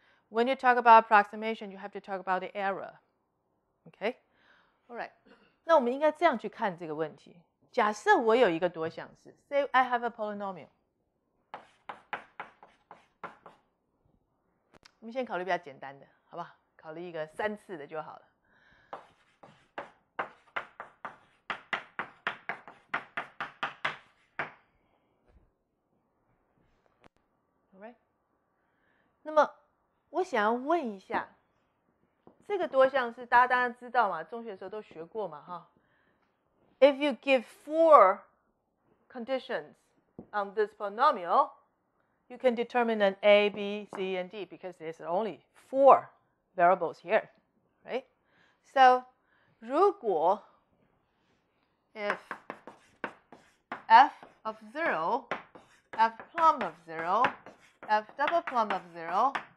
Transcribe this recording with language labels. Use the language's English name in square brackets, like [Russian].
[English] When you talk about approximation, you have to talk about the error. OK, all right. [Chinese] 那我们应该这样去看这个问题。假设我有一个多项式 ， [English] say I have a polynomial。 [Chinese] 我们先考虑比较简单的，好不好？考虑一个三次的就好了。 [English] Alright. [Chinese] 那么我想要问一下，这个多项式大家当然知道嘛，中学的时候都学过嘛，哈。 [English] If you give four conditions on this polynomial, you can determine an A, B, C, and D because there's only four variables here, right? So, 如果 if f of 0, f plum of 0, f double plum of 0,